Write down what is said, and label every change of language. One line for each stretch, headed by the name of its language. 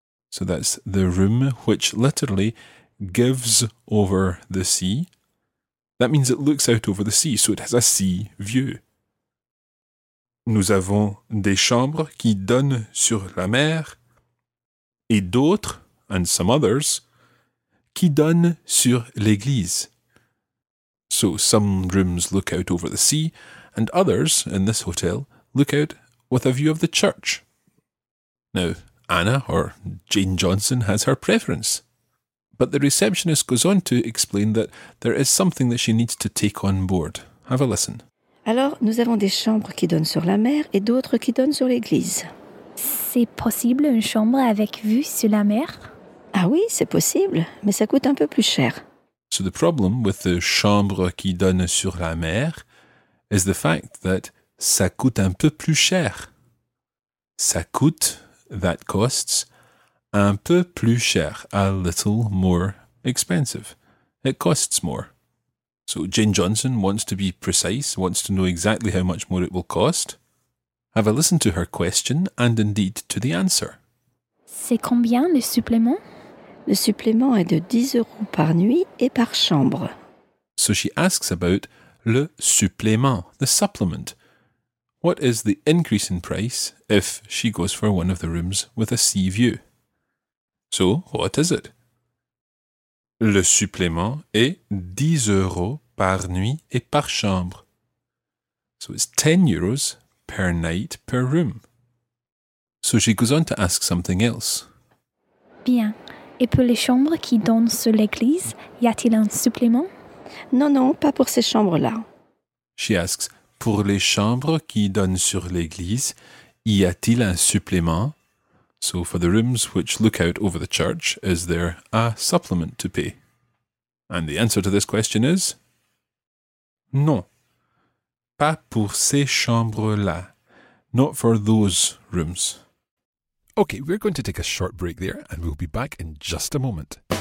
English: So that's the room which literally gives over the sea. That means it looks out over the sea, so it has a sea view.
French: Nous avons des chambres qui donnent sur la mer et d'autres,
English: and some others,
French: qui donnent sur l'église.
English: So some rooms look out over the sea and others, in this hotel, look out with a view of the church. Now, Anna, or Jane Johnson, has her preference. But the receptionist goes on to explain that there is something that she needs to take on board. Have a listen.
French: Alors, nous avons des chambres qui donnent sur la mer et d'autres qui donnent sur l'église. C'est possible une chambre avec vue sur la mer? Ah oui, c'est possible, mais ça coûte un peu plus cher.
English: So the problem with the
French: chambre qui donne sur la mer
English: is the fact that
French: ça coûte un peu plus cher. Ça coûte,
English: that costs,
French: un peu plus cher,
English: a little more expensive. It costs more. So Jane Johnson wants to be precise, wants to know exactly how much more it will cost. Have a listen to her question and indeed to the answer.
French: C'est combien le supplément? Le supplément est de 10 euros par nuit et par chambre.
English: So she asks about
French: le supplément,
English: the supplement. What is the increase in price if she goes for one of the rooms with a sea view? So, what is it?
French: Le supplément est 10 euros par nuit et par chambre.
English: So it's 10 euros per night per room. So she goes on to ask something else.
French: Bien. Et pour les chambres qui donnent sur l'église, y a-t-il un supplément? Non, non, pas pour ces chambres-là.
English: She asks,
French: pour les chambres qui donnent sur l'église, y a-t-il un supplément?
English: So for the rooms which look out over the church, is there a supplement to pay? And the answer to this question is...
French: Non, pas pour ces chambres-là.
English: Not for those rooms. Okay, we're going to take a short break there and we'll be back in just a moment.